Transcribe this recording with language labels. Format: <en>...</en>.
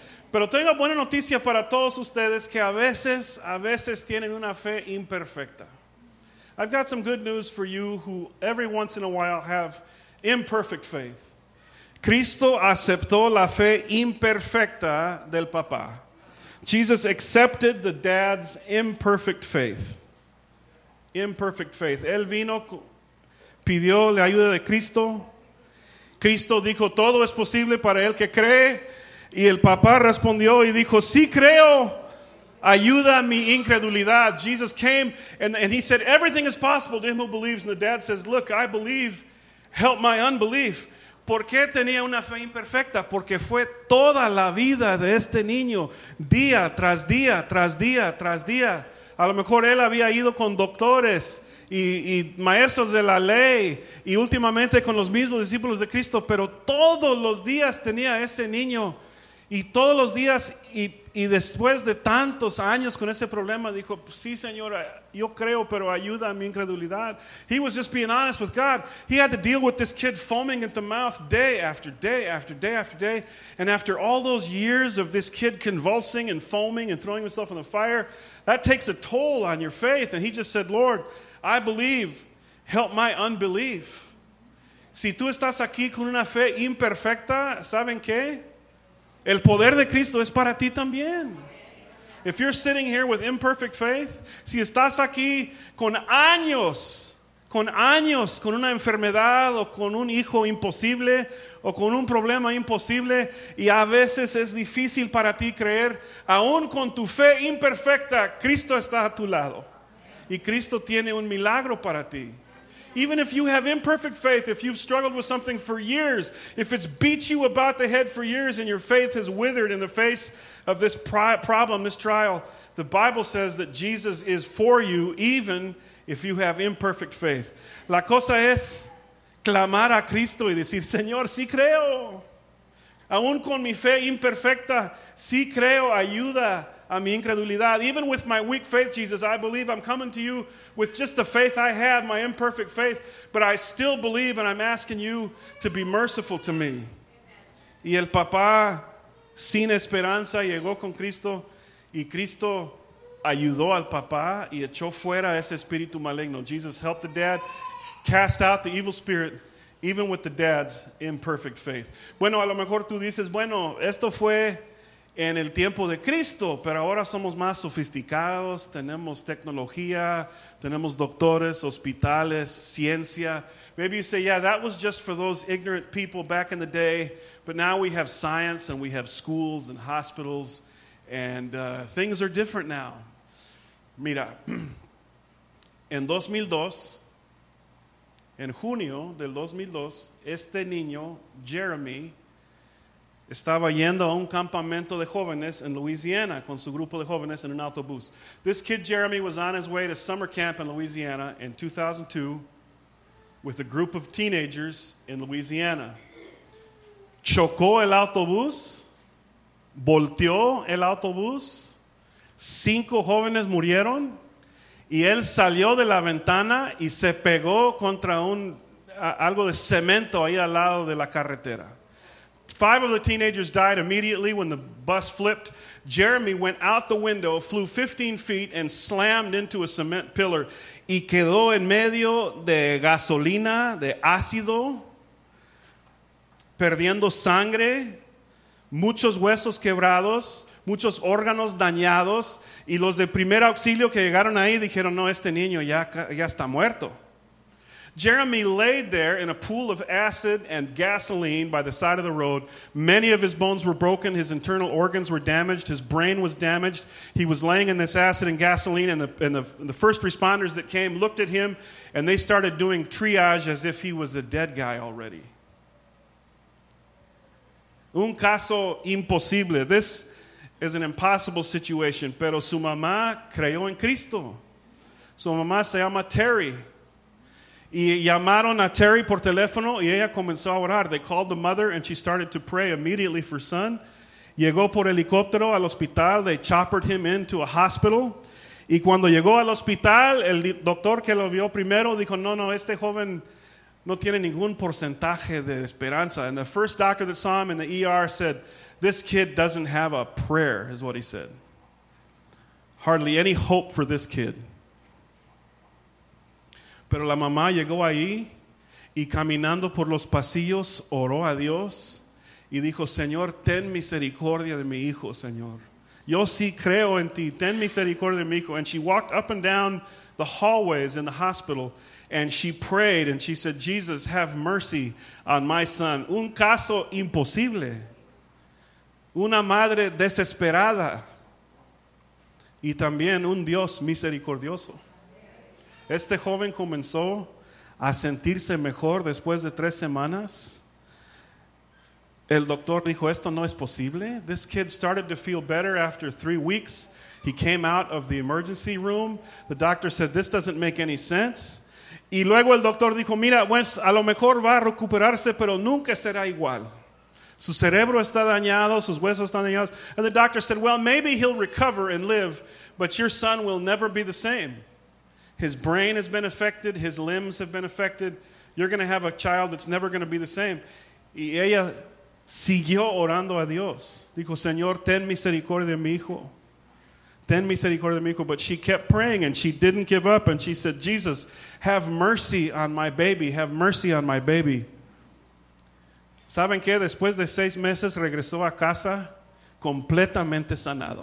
<es>Pero tengo buena noticia para todos ustedes que a veces tienen una fe imperfecta.</es> <en>I've got some good news for you who every once in a while have imperfect faith.</en> <es>Cristo aceptó la fe imperfecta del papá.</es> <en>Jesus accepted the dad's imperfect faith. Imperfect faith.</en> <es>Él vino, pidió la ayuda de Cristo. Cristo dijo, todo es posible para el que cree. Y el papá respondió y dijo, sí creo. Ayuda mi incredulidad.</es> <en>Jesus came and he said, everything is possible to him who believes. And the dad says, look, I believe. Help my unbelief.</en> <es>¿Por qué tenía una fe imperfecta? Porque fue toda la vida de este niño, día tras día, tras día, tras día. A lo mejor él había ido con doctores y maestros de la ley y últimamente con los mismos discípulos de Cristo, pero todos los días tenía ese niño y todos los días y después de tantos años con ese problema dijo, sí, Señor, yo creo, pero ayuda a mi incredulidad.</es> <en>He was just being honest with God. He had to deal with this kid foaming at the mouth day after day after day after day. And after all those years of this kid convulsing and foaming and throwing himself in the fire, that takes a toll on your faith. And he just said, Lord, I believe. Help my unbelief.</en> <es>Si tú estás aquí con una fe imperfecta, ¿saben qué? El poder de Cristo es para ti también.</es> <en>If you're sitting here with imperfect faith,</en> <es>si estás aquí con años, con una enfermedad o con un hijo imposible o con un problema imposible y a veces es difícil para ti creer, aún con tu fe imperfecta, Cristo está a tu lado. Y Cristo tiene un milagro para ti.</es> <en>Even if you have imperfect faith, if you've struggled with something for years, if it's beat you about the head for years and your faith has withered in the face of this problem, this trial, the Bible says that Jesus is for you even if you have imperfect faith.</en> <es>La cosa es clamar a Cristo y decir, Señor, sí creo. Aún con mi fe imperfecta, sí creo, ayuda a mi incredulidad.</es> <en>Even with my weak faith, Jesus, I believe. I'm coming to you with just the faith I have, my imperfect faith, but I still believe and I'm asking you to be merciful to me.</en> <es>Y el papá sin esperanza llegó con Cristo y Cristo ayudó al papá y echó fuera ese espíritu maligno.</es> <en>Jesus helped the dad cast out the evil spirit even with the dad's imperfect faith.</en> <es>Bueno, a lo mejor tú dices, bueno, esto fue en el tiempo de Cristo, pero ahora somos más sofisticados, tenemos tecnología, tenemos doctores, hospitales, ciencia.</es> <en>Maybe you say, yeah, that was just for those ignorant people back in the day, but now we have science and we have schools and hospitals and things are different now.</en> <es>Mira, en 2002, en junio del 2002, este niño, Jeremy, estaba yendo a un campamento de jóvenes en Louisiana con su grupo de jóvenes en un autobús.</es> <en>This kid Jeremy was on his way to summer camp in Louisiana in 2002 with a group of teenagers in Louisiana.</en> <es>Chocó el autobús, volteó el autobús, 5 jóvenes murieron y él salió de la ventana y se pegó contra algo de cemento ahí al lado de la carretera.</es> <en>5 of the teenagers died immediately when the bus flipped. Jeremy went out the window, flew 15 feet, and slammed into a cement pillar.</en> <es>Y quedó en medio de gasolina, de ácido, perdiendo sangre, muchos huesos quebrados, muchos órganos dañados. Y los de primer auxilio que llegaron ahí dijeron, no, este niño ya está muerto.</es> <en>Jeremy laid there in a pool of acid and gasoline by the side of the road. Many of his bones were broken. His internal organs were damaged. His brain was damaged. He was laying in this acid and gasoline, and the first responders that came looked at him, and they started doing triage as if he was a dead guy already.</en> <es>Un caso imposible.</es> <en>This is an impossible situation.</en> <es>Pero su mamá creyó en Cristo. Su mamá se llama Terry. Y llamaron a Terry por teléfono y ella comenzó a orar.</es> <en>They called the mother and she started to pray immediately for son.</en> <es>Llegó por helicóptero al hospital.</es> <en>They choppered him into a hospital.</en> <es>Y cuando llegó al hospital, el doctor que lo vio primero dijo, no, este joven no tiene ningún porcentaje de esperanza.</es> <en>And the first doctor that saw him in the ER said, this kid doesn't have a prayer, is what he said. Hardly any hope for this kid.</en> <es>Pero la mamá llegó ahí y caminando por los pasillos oró a Dios y dijo, Señor, ten misericordia de mi hijo, Señor. Yo sí creo en ti, ten misericordia de mi hijo.</es> <en>And she walked up and down the hallways in the hospital and she prayed and she said, Jesus, have mercy on my son.</en> <es>Un caso imposible. Una madre desesperada. Y también un Dios misericordioso. Este joven comenzó a sentirse mejor después de 3 semanas. El doctor dijo, esto no es posible.</es> <en>This kid started to feel better after 3 weeks. He came out of the emergency room. The doctor said, this doesn't make any sense.</en> <es>Y luego el doctor dijo, mira, pues, a lo mejor va a recuperarse, pero nunca será igual. Su cerebro está dañado, sus huesos están dañados.</es> <en>And the doctor said, well, maybe he'll recover and live, but your son will never be the same. His brain has been affected. His limbs have been affected. You're going to have a child that's never going to be the same.</en> <es>Y ella siguió orando a Dios. Dijo, Señor, ten misericordia de mi hijo. Ten misericordia de mi hijo.</es> <en>But she kept praying and she didn't give up. And she said, Jesus, have mercy on my baby. Have mercy on my baby.</en> <es>¿Saben qué? Después de 6 meses, regresó a casa completamente sanado.</es>